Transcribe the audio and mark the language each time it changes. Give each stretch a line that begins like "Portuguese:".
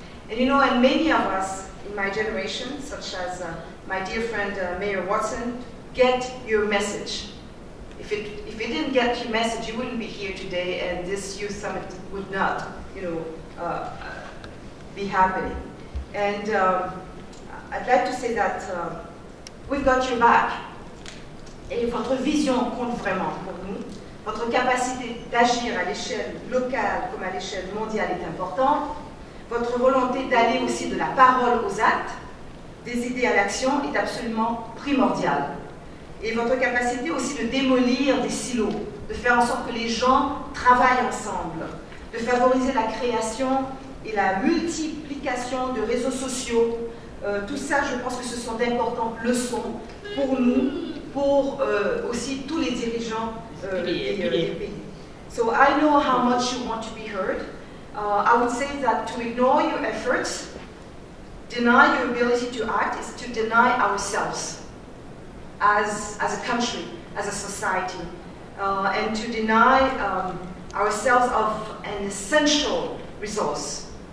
English: And you know, and many of us in my generation, such as my dear friend Mayor Watson, get your message. If it didn't get your message, you wouldn't be here today, and this youth summit would not, you know, be happening. And I'd like to say that we've got your back.
French: Et votre vision compte vraiment pour nous. Votre capacité d'agir à l'échelle locale comme à l'échelle mondiale est importante. Votre volonté d'aller aussi de la parole aux actes, des idées à l'action, est absolument primordiale. Et votre capacité aussi de démolir des silos, de faire en sorte que les gens travaillent ensemble, de favoriser la création et la multiplication de réseaux sociaux, tout ça, je pense que ce sont d'importantes leçons pour nous, pour aussi tous les dirigeants des pays.
English: So I know how much you want to be heard. I would say that to ignore your efforts, deny your ability to act, is to deny ourselves. As a country, as a society, and to deny ourselves of an essential resource.